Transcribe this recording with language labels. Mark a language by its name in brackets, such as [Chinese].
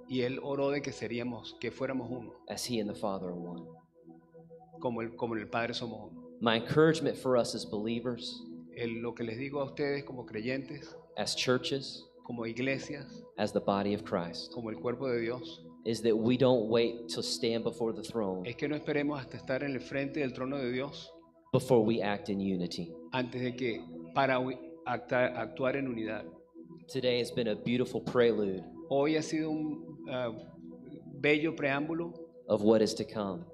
[Spanish] Y él oró de que seríamos, que fuéramos uno. [English] As he and the Father are one. [Spanish] Como el Padre somos uno. [English] My encouragement for us as believers. [Spanish] Lo que les digo a ustedes como creyentes. [English] As churches. [Spanish] Como iglesias, [English] as the body of Christ, [Spanish] como el cuerpo de Dios, [English] is that we don't wait to stand before the throne. [Spanish] Es que no esperemos hasta estar en el frente del trono de Dios. [English] Before we act in unity. [Spanish] Antes de que para actuar en unidad. [English] Today has been a beautiful prelude. [Spanish] Hoy ha sido un bello preámbulo. [English] Of what is to come.